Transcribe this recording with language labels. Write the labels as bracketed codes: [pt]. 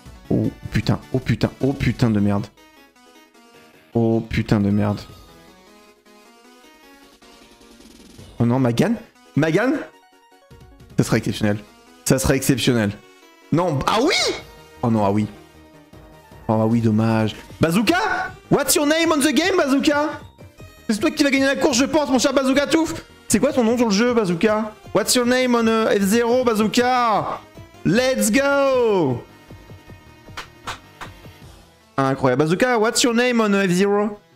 [fr] Oh, putain. Oh, putain. Oh, putain de merde. Oh, putain de merde. Oh non, Magan ? Magan ? Ça serait exceptionnel. Ça serait exceptionnel. Non, ah oui. Oh non, ah oui. Oh ah oui, dommage. [en] Bazooka, what's your name on the game, Bazooka? [fr] C'est toi qui vas gagner la course, je pense, mon cher Bazooka Touf. C'est quoi ton nom sur le jeu, Bazooka? [en] What's your name on F0, Bazooka? Let's go. [fr] Incroyable. [en] Bazooka, what's your name on F0?